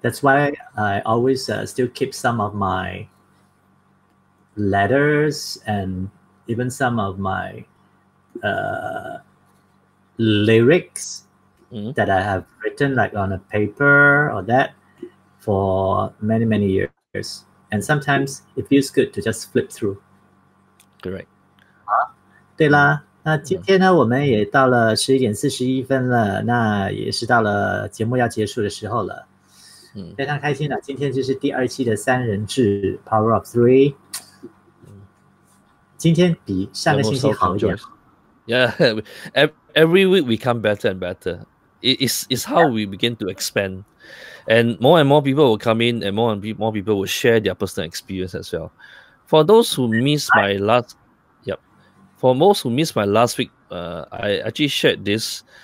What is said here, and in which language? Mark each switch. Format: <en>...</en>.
<en>That's why I always still keep some of my letters and even some of my lyrics that I have written like on a paper or that for many, many years. And sometimes it feels good to just flip through. Correct.</en> <zh>对啦，那今天呢，我们也到了11:41了，那也是到了节目要结束的时候了。非常开心的，今天就是第二期的三人制 Power of Three。今天比上个星期好一点。</zh> <en>Yeah, every week we come better and better. It's how we begin to expand, and more people will come in, and more people will share their personal experience as well. For those who missed my last, for most who missed my last week, I actually shared this.</en>